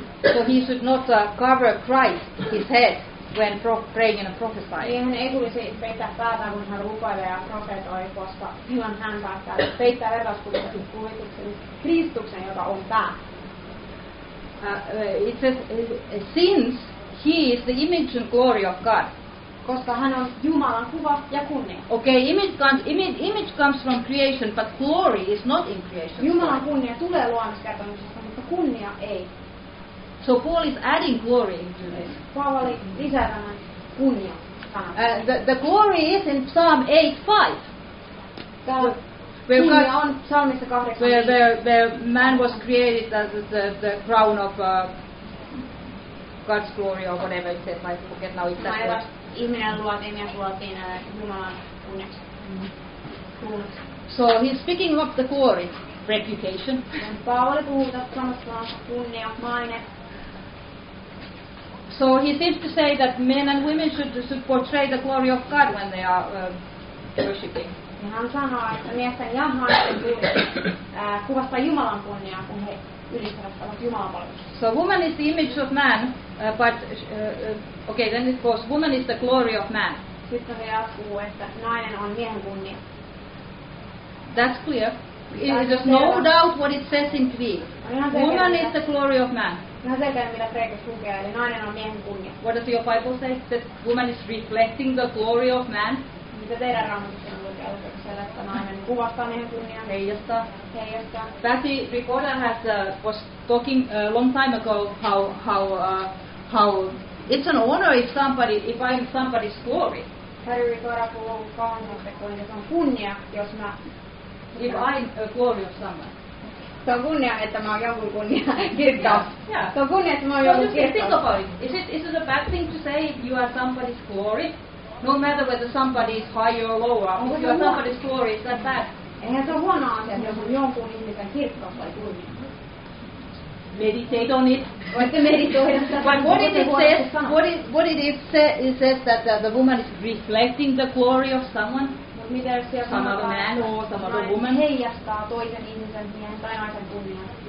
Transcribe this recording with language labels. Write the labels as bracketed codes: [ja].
[en] So he should not cover Christ, his head, when praying and prophesying. [fi] Siihen ei tulisi peittää päätään, kun hän rukoilee ja profetoi, koska silloin hän päättää peittää verraskuvituksen Kristuksen, joka on pää. [en] It says, since he is the image and glory of God. [fi] Koska hän on Jumalan kuva ja kunnia. [en] Okay, image comes from creation, but glory is not in creation. [fi] Jumalan kunnia tulee luomiskertomuksesta, mutta kunnia ei. [en] So Paul is adding glory into this. [fi] Paavali lisää tämän kunnia. [en] The glory is in Psalm 8:5. [fi] Kunnia on psalmissa 8. [en] Where man was created as the crown of God's glory or whatever it says. I forget now it's that word. [fi] Ihminen luotiin ja luotiin Jumalan kunniaksi. [en] So he's speaking of the glory, reputation. [fi] Paavali puhuu tästä samasta kunnia, maine. [en] So he seems to say that men and women should portray the glory of God when they are worshipping. [fi] Ja hän sanoo, että miesten ja naisten tulisi kuvastaa Jumalan kunniaa, kun he ylistävät Jumalan palveluksessa. [en] So woman is the image of man, but okay, then it goes, woman is the glory of man. [fi] Sitten se jatkuu, että nainen on miehen kunnia. [en] That's clear. There's no doubt what it says in Greek. Woman is the glory of man. [fi] Ihan selkeä, mitä kreikassa lukee, eli nainen on miehen kunnia. [en] What does your Bible say? That woman is reflecting the glory of man? [fi] Mitä teidän raamatussa lukee, että nainen [en] Patty recorder has was talking a long time ago how it's an honor if somebody if I'm somebody's glory. [fi] Se on kunnia, että mä oon jonkun kunnia kirkkaus. [en] Yeah. [fi] Se on kunnia, että mä oon jonkun kirkkaus. [en] Is it a bad thing to say if you are somebody's glory? No matter whether somebody is high or lower. If you are somebody's glory, is that bad? [fi] Eihän se ole huono asia, jos on jonkun ihmisen kirkkaus vai kunnia. [en] Meditate on it. [fi] Voitte meditoida. [en] But what it says that the woman is reflecting the glory of someone? [fi] Mitä jos siellä sanotaan, että nainen heijastaa toisen ihmisen miehen tai naisen kunnian?